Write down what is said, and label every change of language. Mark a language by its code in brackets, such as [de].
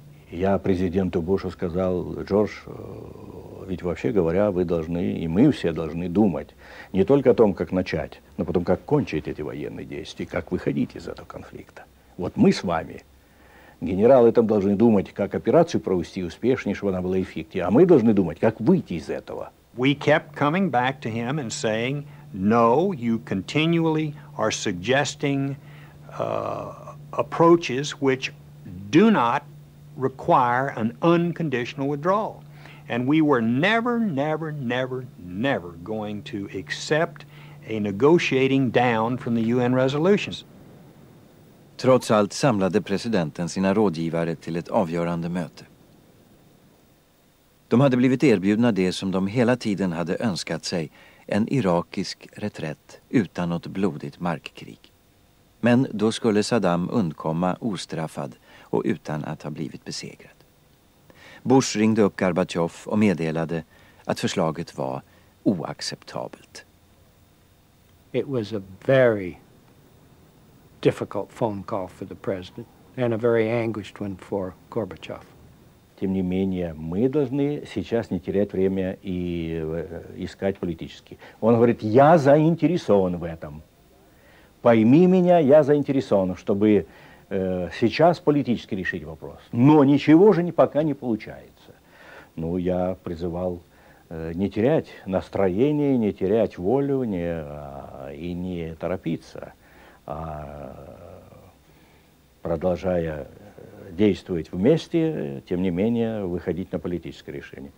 [ru] Я президенту Бушу сказал, Джордж, ведь вообще говоря, вы должны, и мы все должны думать не только о том, как начать, но потом, как кончить эти военные действия, как выходить из этого конфликта. Вот мы с вами, генералы там должны думать, как операцию провести успешнее, чтобы она была эффективнее, а мы должны думать, как выйти из этого. [en] We kept coming back to him and saying, no, you continually are suggesting approaches which do not require an unconditional withdrawal. And we were never, never, never, never going to accept a negotiating down from the UN resolutions. [sv] Trots allt samlade presidenten sina rådgivare till ett avgörande möte. De hade blivit erbjudna det som de hela tiden hade önskat sig, en irakisk reträtt utan något blodigt markkrig. Men då skulle Saddam undkomma ostraffad och utan att ha blivit besegrad. Bush ringde upp Gorbachev och meddelade att förslaget var oacceptabelt. [en] It was a very difficult phone call for the president and a very anguished one for Gorbachev. [ru] Тем не менее, мы должны сейчас не терять время и искать политически. Он говорит, я заинтересован в этом. Пойми меня, я заинтересован, чтобы сейчас политически решить вопрос. Но ничего же пока не получается. Ну, я призывал не терять настроение, не терять волю и не торопиться, а продолжая действовать вместе, тем не менее, выходить на политическое решение.